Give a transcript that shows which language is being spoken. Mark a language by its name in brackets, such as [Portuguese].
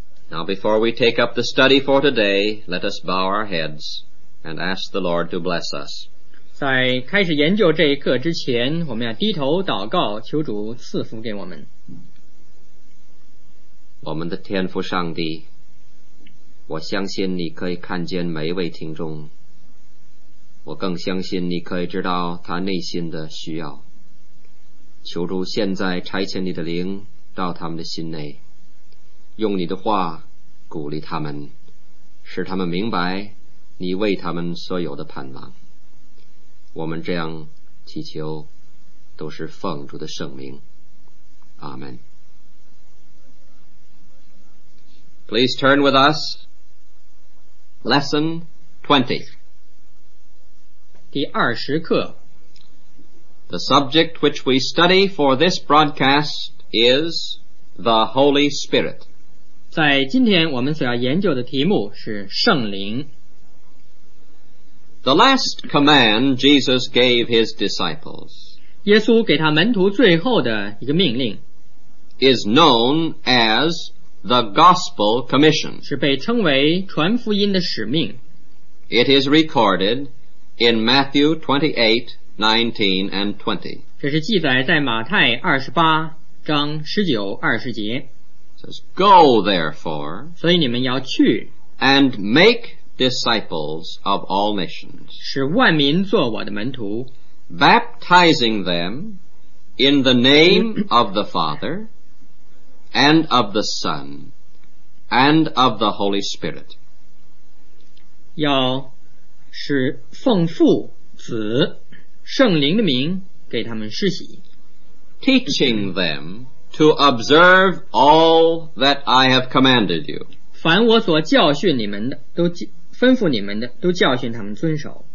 [English] Now before we take up the study for today, let us bow our heads and ask the Lord to bless us. [Chinese] 在开始研究这一课之前，我们要低头祷告，求主赐福给我们。我们的天父上帝，我相信你可以看见每一位听众，我更相信你可以知道他内心的需要。求主现在差遣你的灵到他们的心内，用你的话鼓励他们，使他们明白你为他们所有的盼望。我们这样祈求，都是奉主的圣名，阿们。 [English] Please turn with us, Lesson 20. [Chinese] 第二十课。 [English] The subject which we study for this broadcast is the Holy Spirit. [Chinese] 在今天我们所要研究的题目是圣灵。 [English] The last command Jesus gave his disciples, [Chinese] 耶稣给他门徒最后的一个命令, [English] is known as the Gospel Commission, [Chinese] 是被称为传福音的使命。 [English] It is recorded in Matthew 28, 19 and 20. [Chinese] 这是记载在马太28章19、20节。 [English] It says, Go therefore, [Chinese] 所以你们要去, [English] and make disciples of all nations, [Chinese] 使万民做我的门徒, [English] baptizing them in the name of the Father and of the Son and of the Holy Spirit. [Chinese] 要是奉父子圣灵的名给他们施洗, [English] teaching them to observe all that I have commanded you. [Chinese] 凡我所教训你们的都吩咐你们的都教训他们遵守。